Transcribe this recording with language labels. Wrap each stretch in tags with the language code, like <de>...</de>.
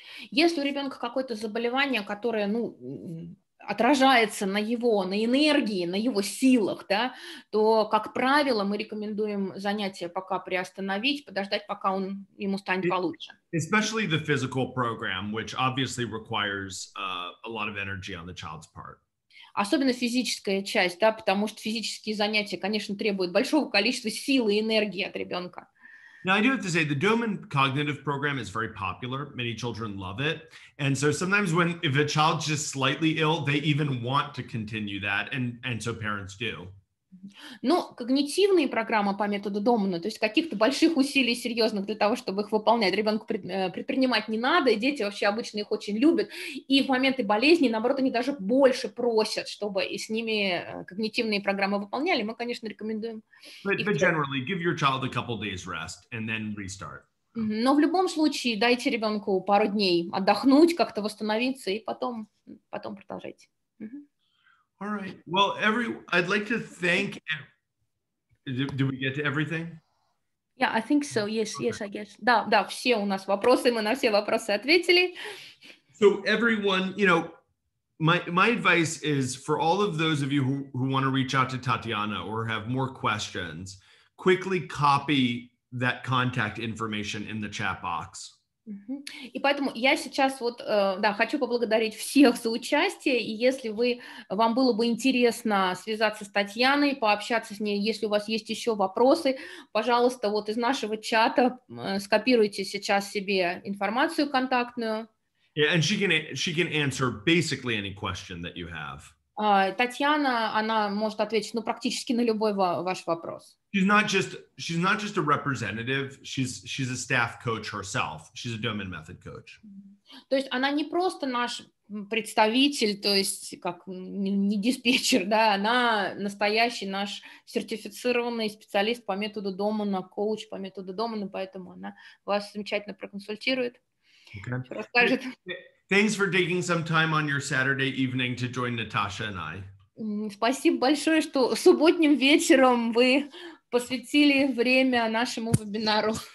<ru>Если у ребенка какое-то заболевание, которое, ну, отражается на его, на энергии, на его силах, да, то, как правило, мы рекомендуем занятия пока приостановить, подождать, пока он ему станет получше.</ru> <en>Especially the physical program, which obviously requires a lot of energy on the child's part.</en> <ru>Особенно физическая часть, да, потому что физические занятия, конечно, требуют большого количества сил и энергии от ребенка.</ru> <en>Now, I do have to say, the Domon Cognitive Program is very popular. Many children love it. And so sometimes when, if a child is just slightly ill, they even want to continue that, and so parents do.</en> <ru>Но когнитивные программы по методу Домона, то есть каких-то больших усилий серьезных для того, чтобы их выполнять, ребенку предпринимать не надо, и дети вообще обычно их очень любят, и в моменты болезни, наоборот, они даже больше просят, чтобы и с ними когнитивные программы выполняли, мы, конечно, рекомендуем.</ru> <en>But generally, give your child a couple days rest and then restart.</en> <ru>Но в любом случае, дайте ребенку пару дней отдохнуть, как-то восстановиться, и потом продолжайте.</ru> <en>All right. Well, I'd like to thank. Did we get to everything? Yeah, I think so. Yes, okay. Yes, I guess.</en> <ru>Да, да, все у нас вопросы, мы на все вопросы ответили.</ru> <en>So everyone, you know, my advice is for all of those of you who want to reach out to Tatiana or have more questions, quickly copy that contact information in the chat box.</en> <ru>И поэтому я сейчас вот, да, хочу поблагодарить всех за участие, и если вам было бы интересно связаться с Татьяной, пообщаться с ней, если у вас есть еще вопросы, пожалуйста, вот из нашего чата скопируйте сейчас себе информацию контактную.</ru> <en>Yeah, and she can answer basically any question that you have.</en> <ru>Татьяна, она может ответить, ну, практически на любой ваш вопрос.</ru> <en>She's not just a representative, she's a staff coach herself. She's a Domon Method coach.</en> <ru>То есть она не просто наш представитель, то есть как не диспетчер, да, она настоящий наш сертифицированный специалист по методу Домона, коуч по методу Домона, поэтому она вас замечательно проконсультирует,</ru> <en>okay.</en> <ru>Расскажет.</ru> <en>Thanks for taking some time on your Saturday evening to join Natasha and I.</en> <ru>Спасибо большое, что субботним вечером вы посвятили время нашему вебинару.</ru>